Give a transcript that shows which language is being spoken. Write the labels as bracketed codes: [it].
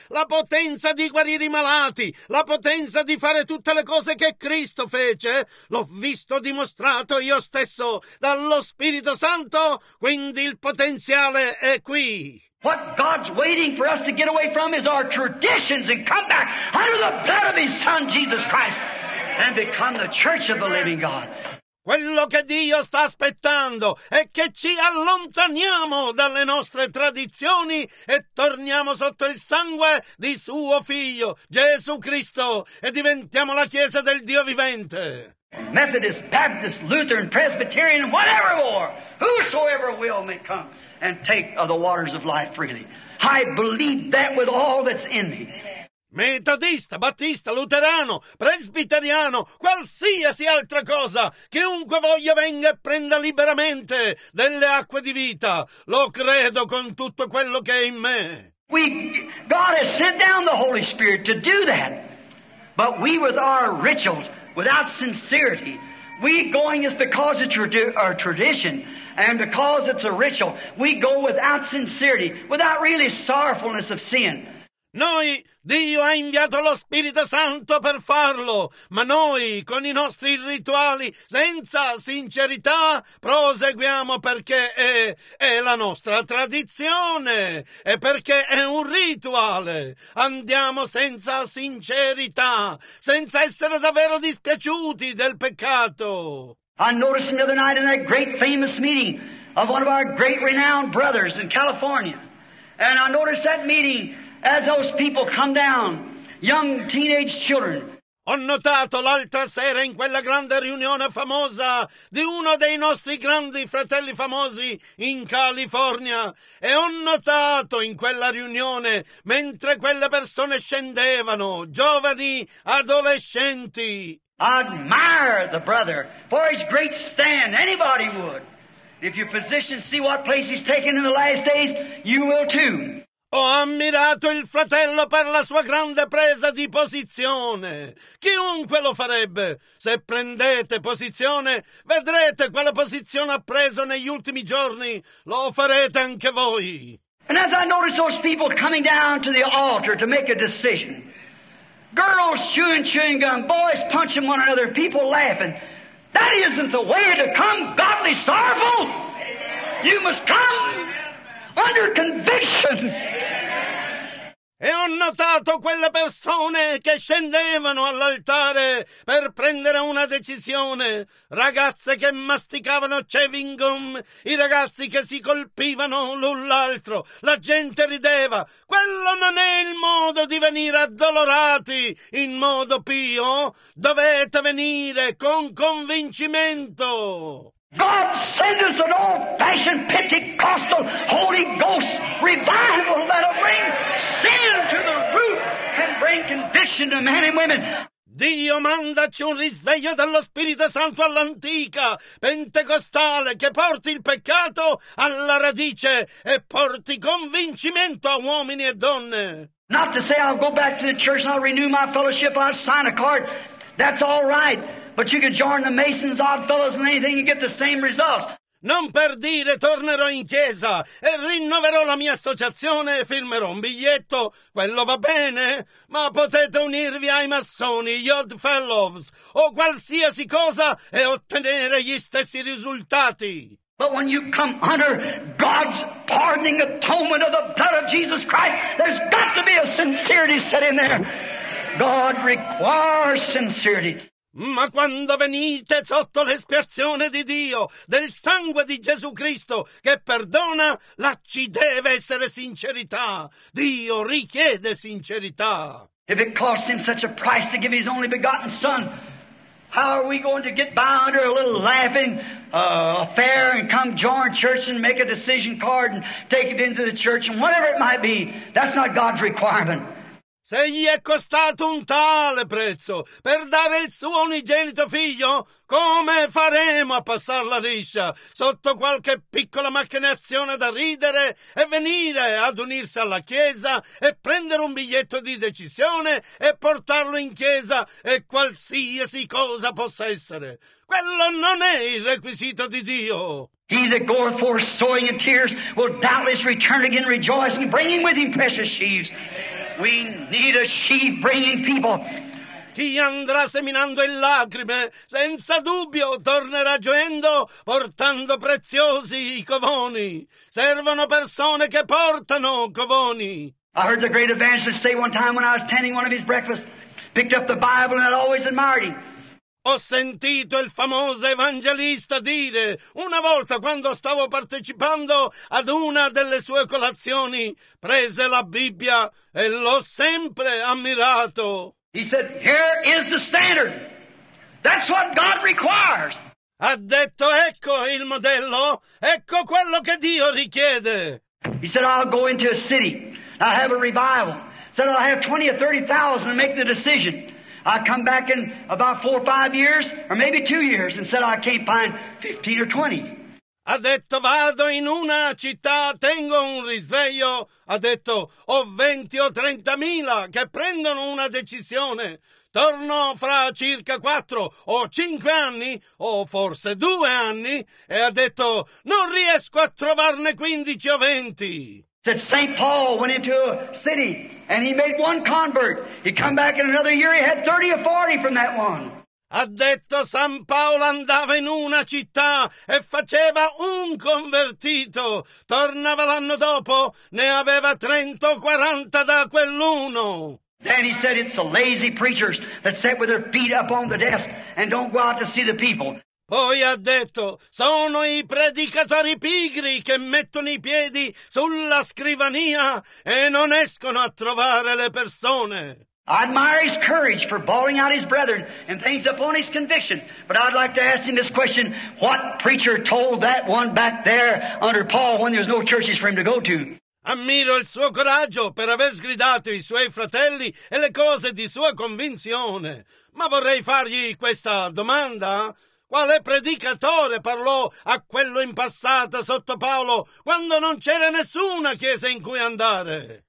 [it] La potenza di guarire i malati. La potenza di fare tutte le cose che Cristo fece. L'ho visto dimostrato io stesso dallo Spirito Santo. Quindi il potenziale è qui. [en] What God's waiting for us to get away from is our traditions and come back under the blood of His Son, Jesus Christ, and become the church of the living God. [it] Quello che Dio sta aspettando è che ci allontaniamo dalle nostre tradizioni e torniamo sotto il sangue di Suo Figlio, Gesù Cristo, e diventiamo la Chiesa del Dio vivente. [en] Methodist, Baptist, Lutheran, Presbyterian, whatever more, whosoever will may come. And take of the waters of life freely. I believe that with all that's in me. [it] Metodista, Battista, Luterano, Presbiteriano, qualsiasi altra cosa, chiunque voglia venga e prenda liberamente delle acque di vita. Lo credo con tutto quello che è in me. [en] God has sent down the Holy Spirit to do that. But we with our rituals, without sincerity, we going is because it's our tradition. And because it's a ritual, we go without sincerity, without really sorrowfulness of sin. [it] Noi, Dio ha inviato lo Spirito Santo per farlo, ma noi, con i nostri rituali, senza sincerità, proseguiamo perché è la nostra tradizione, e perché è un rituale. Andiamo senza sincerità, senza essere davvero dispiaciuti del peccato. [en] I noticed the other night in that great famous meeting of one of our great renowned brothers in California. And I noticed that meeting as those people come down, young teenage children. [it] Ho notato l'altra sera in quella grande riunione famosa di uno dei nostri grandi fratelli famosi in California. E ho notato in quella riunione, mentre quelle persone scendevano, giovani adolescenti. [en] I admire the brother for his great stand. Anybody would. If your physician see what place he's taken in the last days, you will too. [it] Ho ammirato il fratello per la sua grande presa di posizione. Chiunque lo farebbe. Se prendete posizione, vedrete quale posizione ha preso negli ultimi giorni. Lo farete anche voi. [en] And as I notice those people coming down to the altar to make a decision, girls chewing gum, boys punching one another, people laughing. That isn't the way to come godly sorrowful. You must come under conviction. [it] E ho notato quelle persone che scendevano all'altare per prendere una decisione. Ragazze che masticavano chewing gum, i ragazzi che si colpivano l'un l'altro. La gente rideva. Quello non è il modo di venire addolorati in modo pio. Dovete venire con convincimento. [en] God send us an old-fashioned Pentecostal Holy Ghost revival that'll bring sin to the root and bring conviction to men and women. [it] Dio, mandaci un risveglio dello Spirito Santo all'antica, pentecostale, che porti il peccato alla radice e porti convincimento a uomini e donne. [en] Not to say I'll go back to the church and I'll renew my fellowship, I'll sign a card, that's all right. But you can join the Masons, Odd Fellows, and anything, you get the same results. [it] Non per dire tornerò in chiesa e rinnoverò la mia associazione e firmerò un biglietto, quello va bene, ma potete unirvi ai massoni, gli Odd Fellows, o qualsiasi cosa e ottenere gli stessi risultati. [en] But when you come under God's pardoning atonement of the blood of Jesus Christ, there's got to be a sincerity set in there. God requires sincerity. [it] Ma quando venite sotto l'espiazione di Dio, del sangue di Gesù Cristo che perdona, là ci deve essere sincerità. Dio richiede sincerità. [en] If it cost him such a price to give his only begotten son, how are we going to get by under a little laughing affair and come join church and make a decision card and take it into the church and whatever it might be? That's not God's requirement. [it] Se gli è costato un tale prezzo per dare il suo unigenito figlio, come faremo a passare la liscia sotto qualche piccola macchinazione da ridere e venire ad unirsi alla chiesa e prendere un biglietto di decisione e portarlo in chiesa e qualsiasi cosa possa essere? Quello non è il requisito di Dio. [en] He that goeth forth sowing in tears will doubtless return again rejoicing, bringing with him precious sheaves. We need a sheep-bringing people. [it] Chi andrà seminando in lacrime, senza dubbio tornerà gioendo, portando preziosi covoni. Servono persone che portano covoni. [en] I heard the great evangelist say one time when I was tending one of his breakfasts, picked up the Bible and I always admired him. [it] Ho sentito il famoso evangelista dire, una volta quando stavo partecipando ad una delle sue colazioni, prese la Bibbia e l'ho sempre ammirato. [en] He said, "Here is the standard. That's what God requires." [it] Ha detto, ecco il modello, ecco quello che Dio richiede. [en] He said, "I'll go into a city, I'll have a revival. He said, I'll have 20 or 30,000 to make the decision. I come back in about 4 or 5 years, or maybe 2 years, and said I can't find 15 or 20. [it] Ha detto, vado in una città, tengo un risveglio. Ha detto, ho 20 o 30 mila che prendono una decisione. Torno fra circa 4 o 5 anni, o forse 2 anni, e ha detto, non riesco a trovarne 15 o 20. [en] Said St. Paul went into a city and he made one convert. He come back in another year, he had 30 or 40 from that one. [it] Ha detto San Paolo andava in una città e faceva un convertito. Tornava l'anno dopo, ne aveva 30 o 40 da quell'uno. [en] Then he said it's the lazy preachers that sit with their feet up on the desk and don't go out to see the people. [it] Poi ha detto, sono i predicatori pigri che mettono i piedi sulla scrivania e non escono a trovare le persone. [en] I admire his courage for bawling out his brethren and things upon his conviction, but I'd like to ask him this question, what preacher told that one back there under Paul when there was no churches for him to go to? [it] Ammiro il suo coraggio per aver sgridato i suoi fratelli e le cose di sua convinzione, ma vorrei fargli questa domanda. Quale predicatore parlò a quello in passato sotto Paolo quando non c'era nessuna chiesa in cui andare?